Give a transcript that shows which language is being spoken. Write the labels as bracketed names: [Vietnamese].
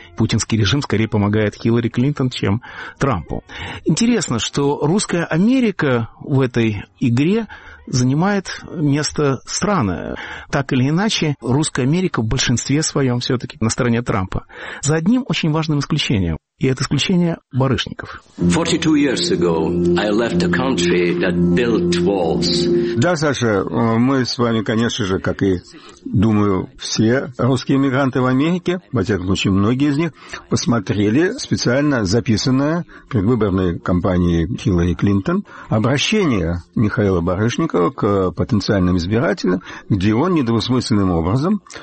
[Russian] Путинский режим скорее помогает Хиллари Клинтон, чем Трампу. Интересно, что русская Америка в этой игре занимает место странное. Так или иначе, русская Америка в большинстве своем все-таки на стороне Трампа. За одним очень важным исключением. И это исключение Барышников. [English] 42 years ago I left a country that built walls. [Russian] Да, Саша, мы с вами, конечно же, как и, думаю, все русские эмигранты в Америке, во всяком случае, многие из них, посмотрели специально записанное предвыборной кампанией Хиллари Клинтон обращение Михаила Барышникова к потенциальным избирателям, где он недвусмысленным образом